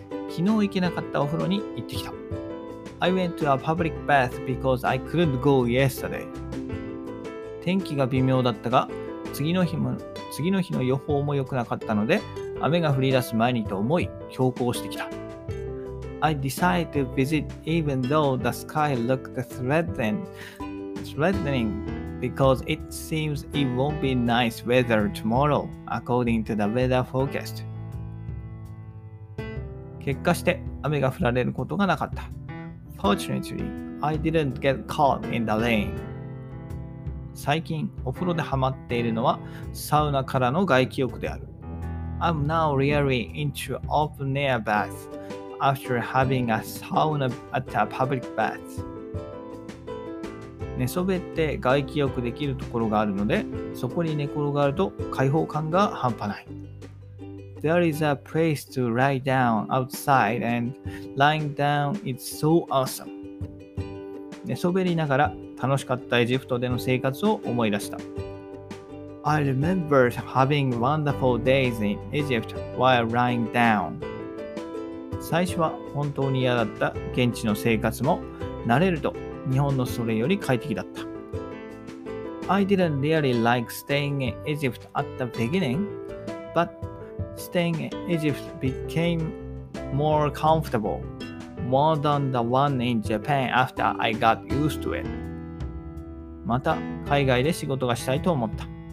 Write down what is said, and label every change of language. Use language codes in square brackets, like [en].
[ja] 昨日行けなかったお風呂に行ってきた。 [en] I went to a public bath because I couldn't go yesterday。 [ja] 天気が微妙だったが、次の日の予報も良くなかったので、雨が降り出す前にと思い強行してきた。 [en] I decided to visit even though the sky looked threatening because it seems it won't be nice weather tomorrow according to the weather forecast. [ja] 結果して雨が降られることがなかった。 [en] Fortunately, I didn't get caught in the rain. [ja] 最近お風呂でハマっているのはサウナからの外気浴である。 [en] I'm now really into open air baths. After having a sauna at a public bath. [ja] 寝そべって外気浴できるところがあるので、そこに寝転がると開放感が半端ない。 [en] There is a place to lie down outside and lying down is so awesome. [ja] 寝そべりながら楽しかったエジプトでの生活を思い出した。 [en] I remember having wonderful days in Egypt while lying down. [ja] 最初は本当に嫌だった現地の生活も慣れると日本のそれより快適だった。 [en] I didn't really like staying in Egypt at the beginning, but staying in Egypt became more comfortable, more than the one in Japan after I got used to it. [ja] また海外で仕事がしたいと思った。